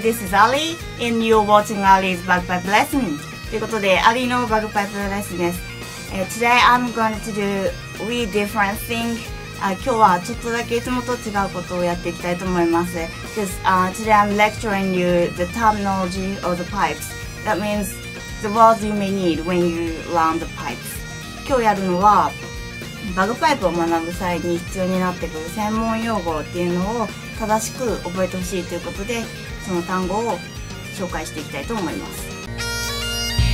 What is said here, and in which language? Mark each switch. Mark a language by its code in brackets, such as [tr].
[en] This is Ali, and you're watching Ali's Bagpipe Lesson. [ja] ということで、Ali の Bagpipe Lesson です。 [en] Today, I'm going to do a wee different thing. [ja] 今日はちょっとだけいつもと違うことをやっていきたいと思います。 [en] Today, I'm lecturing you the terminology of the pipes. That means the words you may need when you learn the pipes. [ja] 今日やるのは、バグパイプを学ぶ際に必要になってくる専門用語っていうのを正しく覚えてほしいということで、その単語を紹介していきたいと思います。